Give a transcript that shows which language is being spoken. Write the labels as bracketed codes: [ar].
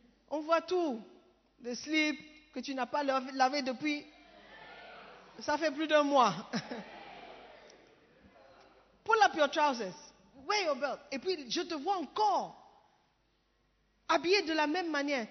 [fr] On voit tout, le slip, que tu n'as pas lavé depuis, ça fait plus d'un mois. [en] Pull up your trousers, wear your belt. [fr] Et puis, je te vois encore habillé de la même manière.